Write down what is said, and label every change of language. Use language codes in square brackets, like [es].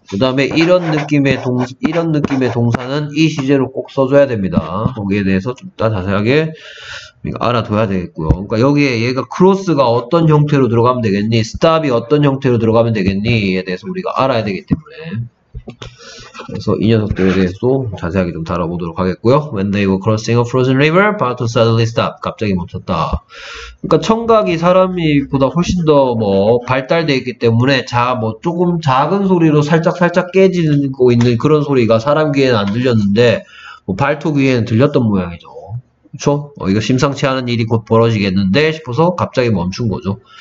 [ko] 그 다음에 이런 느낌의 동사는 이 시제로 꼭 써줘야 됩니다. 거기에 대해서 좀 이따 자세하게 알아둬야 되겠고요. 그러니까 여기에 얘가 크로스가 어떤 형태로 들어가면 되겠니? 스탑이 어떤 형태로 들어가면 되겠니?에 대해서 우리가 알아야 되기 때문에. 그래서 이 녀석들에 대해서도 자세하게 좀 다뤄보도록 하겠고요. [en] When they were crossing a frozen river, Bato suddenly stopped. [ko] 갑자기 멈췄다. 그러니까 청각이 사람보다 훨씬 더뭐 발달되어 있기 때문에 뭐 조금 작은 소리로 살짝살짝 살짝 깨지고 있는 그런 소리가 사람 귀에는 안 들렸는데 뭐 발톱 귀에는 들렸던 모양이죠. 그쵸? 이거 심상치 않은 일이 곧 벌어지겠는데 싶어서 갑자기 멈춘 거죠.